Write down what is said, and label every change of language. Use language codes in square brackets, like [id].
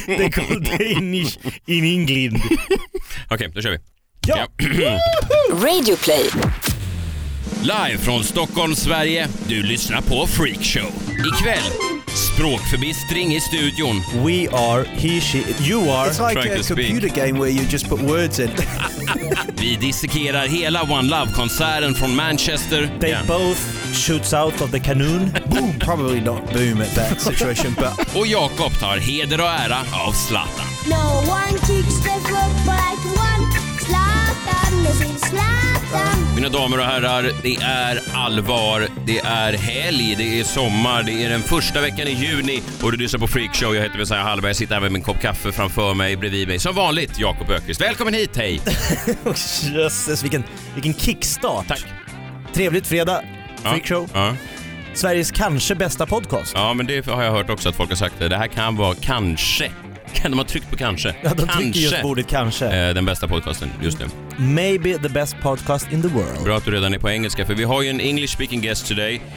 [en] They call Danish in England. [sv] Okay, då kör vi. Ja. Radio Play. Live från Stockholm, Sverige. Du lyssnar på Freak Show. Ikväll. Språkförbistring i studion. [en] We are, he, she, you are. It's like a computer game where you just put words in. [sv] Vi dissekerar hela One Love-konserten från Manchester. [en] They both shoots out of the cannon. Boom, probably not boom at that situation, but... [sv] Och Jakob tar heder och ära av Zlatan. [en] No one kicks the foot like one. Zlatan is in Zlatan. [sv] Mina damer och herrar, det är allvar. Det är helg, det är sommar. Det är den första veckan i juni. Och du lyssnar på Freak Show. Jag heter Messiah Hallberg. Jag sitter här med min kopp kaffe framför mig, bredvid mig. Som vanligt, Jakob Ökvist. Välkommen hit, hej! Jösses, vilken kickstart. Tack. Trevligt fredag, Freak Show. Ja. Sveriges kanske bästa podcast. Ja, men det har jag hört också att folk har sagt. Det här kan vara kanske. De har tryckt på kanske. Ja, de trycker just bordet kanske. Den bästa podcasten just nu. [en] Maybe the best podcast in the world. [sv] Bra att du redan är på engelska, för vi har ju en [en] English speaking guest today.